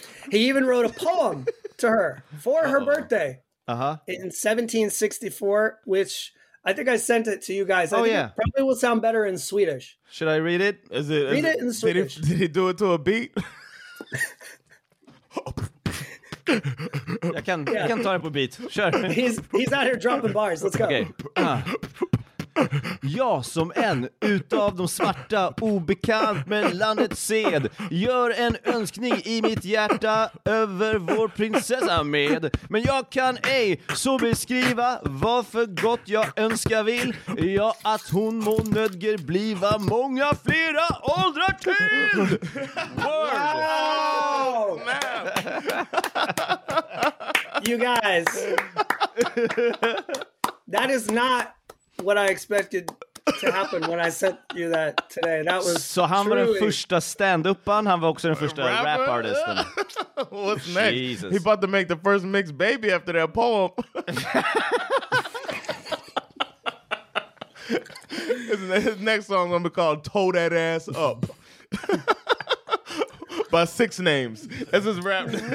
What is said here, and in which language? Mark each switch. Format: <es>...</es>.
<en>He even wrote a poem to her for her birthday in 1764, which I think I sent it to you guys. It probably will sound better in Swedish. Should I read it? Read it in Swedish. Did he do it to a beat? I can talk about a beat. Sure. He's out here dropping bars. Let's go. Okay.</en> <sv>Jag som en utav de svarta, obekant med landets sed, gör en önskning i mitt hjärta över vår prinsessa med. Men jag kan ej så beskriva vad för gott jag önskar vill. Ja, att hon må nödger bliva många flera åldrar till.</sv> <en>Wow! Man. you guys. That is not what I expected to happen when I sent you that today. That was so. How many</en> <sv>första stand-upan? Han var också den första rap artisten.</sv> <en>What's next? Jesus. He about to make the first mixed baby after that poem. His next song is gonna be called "Toe That Ass Up" by Six Names. This is rap.</en>